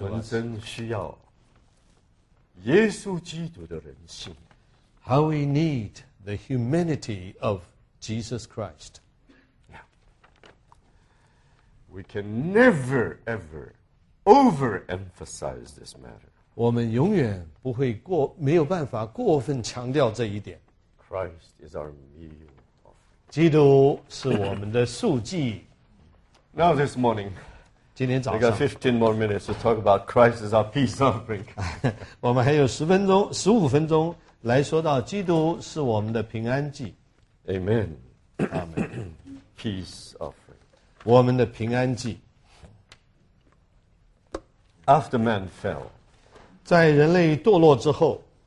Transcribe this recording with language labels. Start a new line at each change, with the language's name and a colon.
Chinese: 我们真需要耶稣基督的人性。
English: How we need the humanity of Jesus Christ. Yeah. We can never, ever overemphasize this matter.
Chinese: 我们永远不会过，没有办法过分强调这一点。
English: Christ is our meal.
Chinese: 基督是我们的素祭。
English: Now this morning,
Chinese: 今天早上
English: ，we got 15 more minutes to talk about Christ is our peace offering.
Chinese: 我们还有15分钟来说到基督是我们的平安祭。
English: Amen. Amen. Peace offering.
Chinese: 我们的平安祭。
English: After man fell.
Chinese: 在人类堕落之后